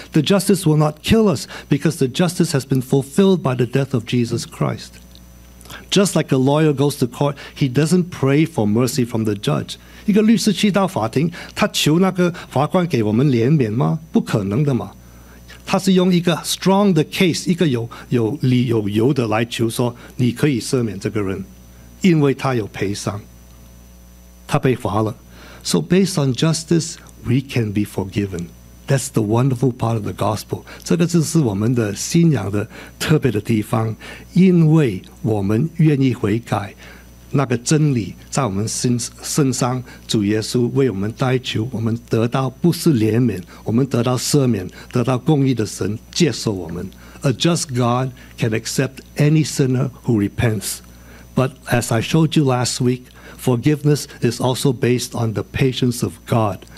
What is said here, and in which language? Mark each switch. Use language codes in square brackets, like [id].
[en] The justice will not kill us because the justice has been fulfilled by the death of Jesus Christ. Just like a lawyer goes to court, he doesn't pray for mercy from the judge. [zh] 一个律师去到法庭，他求那个法官给我们怜悯吗？不可能的嘛。他是用一个 strong 的 case， 一个有理有由的来求说你可以赦免这个人，因为他有赔偿，他被罚了。 [en] So based on justice we can be forgiven. That's the wonderful part of the gospel. [zh] 这个就是我们的信仰的特别的地方，因为我们愿意悔改，那个真理在我们身上，主耶稣为我们代求，我们得到不是怜悯，我们得到赦免，得到公义的神接受我们。 [en] A just God can accept any sinner who repents. But as I showed you last week, forgiveness is also based on the patience of God.